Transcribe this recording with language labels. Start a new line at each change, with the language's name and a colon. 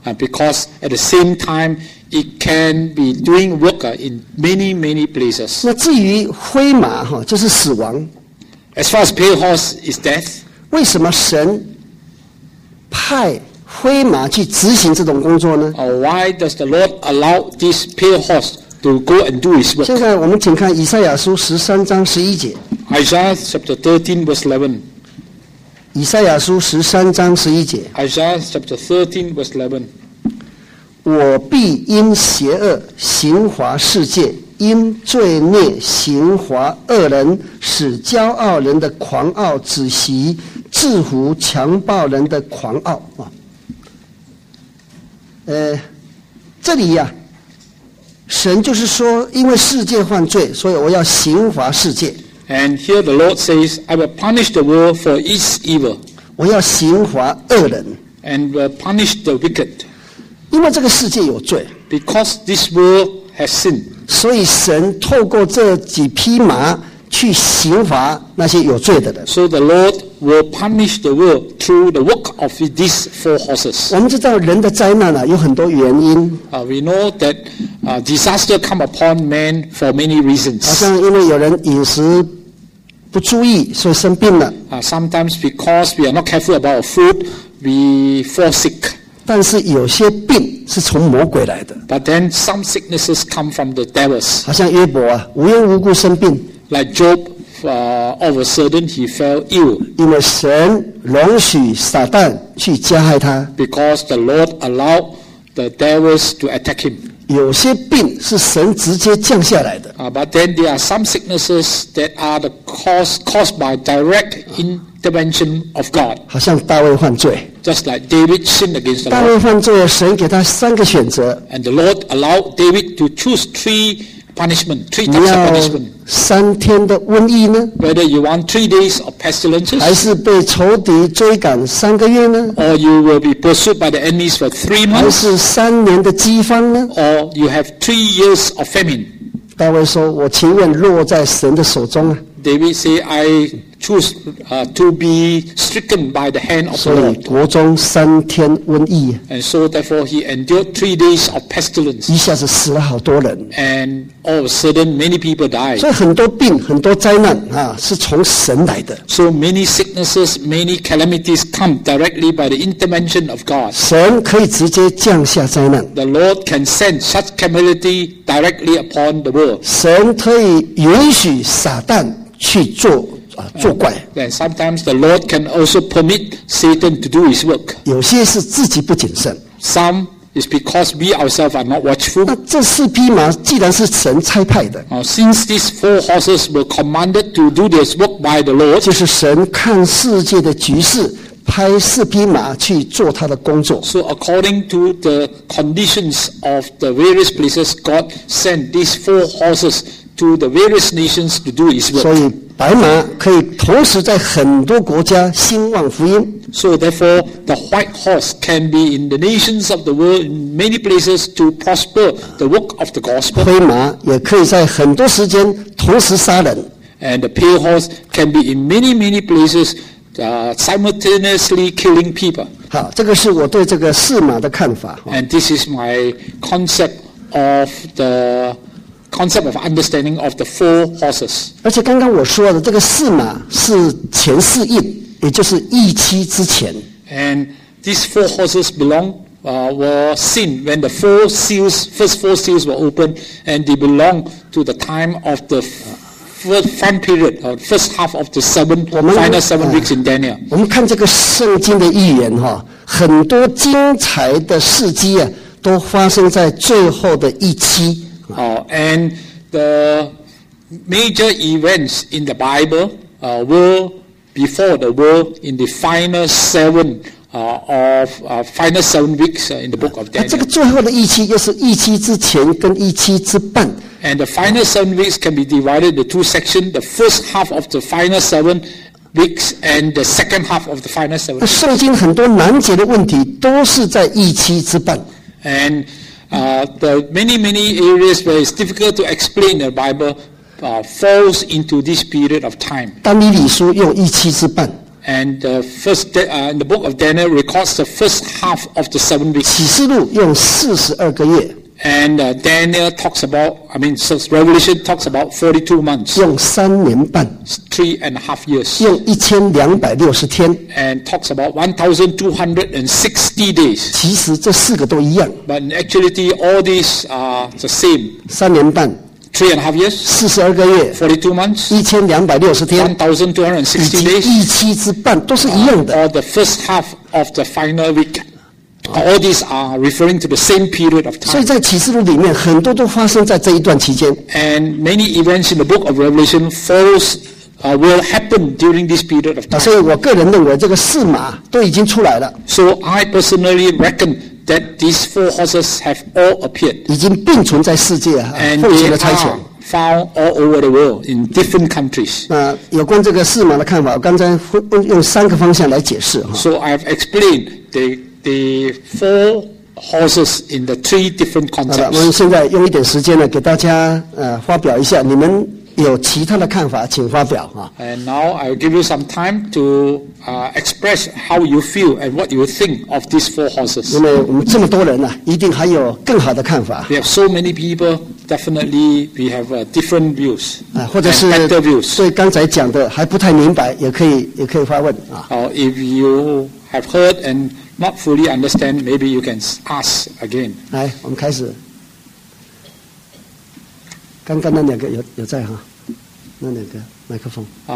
English: Because at the same time. It can be doing work in many, many places.
Chinese: 那至于灰马就是死亡。
English: As far as pale horse is death.
Chinese: 为什么神派灰马去执行这种工作呢？
English: Why does the Lord allow this pale horse to go and do his work?
Chinese: 现在我们请看以赛亚书十三章十一节。
English: Isaiah chapter 13 verse 11.
Chinese: 以赛亚书十三章十一节。
English: Isaiah chapter 13 verse 11.
Chinese: 我必因邪恶刑罚世界，因罪孽刑罚恶人，使骄傲人的狂傲止息，制服强暴人的狂傲。这里呀，神就是说，因为世界犯罪，所以我要刑罚世界。
English: And here the Lord says, I will punish the world for its evil.
Chinese: 我要刑罚恶人。
English: And will punish the wicked.
Chinese: 因为这个世界有罪
English: ，because this world has sin，
Chinese: 所以神透过这几匹马去刑罚那些有罪的人。
English: So the Lord will punish the world through the work of these four horses。
Chinese: 我们知道人的灾难有很多原因。
English: We know that disaster come upon man for many reasons。
Chinese: 好像因为有人饮食不注意，所以生病了。
English: Sometimes because we are not careful about our food, we fall sick.
Chinese: 但是有些病是从魔鬼来的。
English: But then some sicknesses come from the devils.
Chinese: 好像约伯无缘无故生病。
English: Like Job, all of a sudden he fell ill.
Chinese: 因为神容许撒旦去加害他。
English: Because the Lord allowed the devils to attack him.
Chinese: 有些病是神直接降下来的。
English: But then there are some sicknesses that are the caused by direct intervention of God.
Chinese: 好像大卫犯罪。
English: Just like David sinned against the Lord.
Chinese: 大卫犯罪，神给他三个选择。
English: And the Lord allowed David to choose three punishment, three types of punishment.
Chinese: 三天的瘟疫呢
English: ？Whether you want 3 days of pestilence?
Chinese: 还是被仇敌追赶三个月呢
English: ？Or you will be pursued by the enemies for 3 months?
Chinese: 还是三年的饥荒呢
English: ？Or you have 3 years of famine?
Chinese: 大卫说：“我情愿落在神的手中啊。”
English: David say, I choose to be stricken by the hand of the Lord.
Chinese: 所以国中三天瘟疫。
English: And so therefore he endured 3 days of pestilence.
Chinese: 一下子死了好多人。
English: And all of a sudden many people died.
Chinese: 所以很多病很多灾难是从神来的。
English: So many sicknesses, many calamities come directly by the intervention of God.
Chinese: 神可以直接降下灾难。
English: The Lord can send such calamity directly upon the world.
Chinese: 神可以允许撒旦去做作怪。
English: And sometimes the Lord can also permit Satan to do his work.
Chinese: 有些是自己不谨慎。
English: Some is because we ourselves are not watchful.
Chinese: 那这四匹马既然是神差派的。
English: Since these four horses were commanded to do this work by the Lord.
Chinese: 就是神看世界的局势，派四匹马去做他的工作。
English: So according to the conditions of the various places, God sent these four horses to the various nations to do his work.
Chinese: 所以白马可以同时在很多国家兴旺福音。
English: So therefore, the white horse can be in the nations of the world in many places to prosper the work of the gospel.
Chinese: 灰马也可以在很多时间同时杀人。
English: And the pale horse can be in many, many places, simultaneously killing people.
Chinese: 好，这个是我对这个四马的看法。
English: And this is my concept of the concept of understanding of the four horses.
Chinese: 而且刚刚我说的这个四马是前四印，也就是一七之前。
English: And these four horses belong, were seen when the four seals, first four seals were opened, and they belong to the time of the front period, or first half of the final seven weeks in Daniel.
Chinese: 我们看这个圣经的预言，很多精彩的事迹啊，都发生在最后的一期。
English: And the major events in the Bible, were before the world in the final seven, final seven weeks in the book of Daniel.
Chinese: 这个最后的一期又是一期之前跟一期之半。
English: And the final seven weeks can be divided into two sections, the first half of the final seven weeks and the second half of the final seven weeks.
Chinese: 圣经很多难解的问题都是在一期之半。
English: And the many, many areas where it's difficult to explain the Bible falls into this period of time.
Chinese: 但以理书用一期之半。
English: And the first, in the book of Daniel records the first half of the seven weeks.
Chinese: 启示录用42个月。
English: And Daniel talks about, I mean, so Revelation talks about 42 months.
Chinese: 用三年半。
English: Three and a half years.
Chinese: 用1260天。
English: And talks about 1260 days.
Chinese: 其实这四个都一样。
English: But in actuality, all these are the same.
Chinese: 三年半。
English: Three and a half years.
Chinese: 42个月。
English: 42 months.
Chinese: 1260天。
English: 1260 days.
Chinese: 一期之半都是一样的。
English: Or the first half of the final week. All these are referring to the same period of time.
Chinese: 所以在启示录里面，很多都发生在这一段期间。
English: And many events in the book of Revelation falls, will happen during this period of time.
Chinese: 所以我个人认为，这个四马都已经出来了。
English: So I personally reckon that these four horses have all appeared.
Chinese: 已经并存在世界啊，奉行了差遣。
English: Found all over the world in different countries.
Chinese: 有关这个四马的看法，我刚才用三个方向来解释。
English: So I've explained the four horses in the three different concepts.
Chinese: 好的，我们现在用一点时间呢，给大家发表一下，你们有其他的看法，请发表啊。
English: And now I will give you some time to express how you feel and what you think of these four horses.
Chinese: 因为我们这么多人呢，一定还有更好的看法。
English: We have so many people. Definitely, we have different views.
Chinese: 或者是对刚才讲的还不太明白，也可以发问啊。
English: 好 ，If you have heard andNot fully understand, maybe you can ask again.
Chinese: 来，我们开始。刚刚那两个有在哈，那两个麦克风。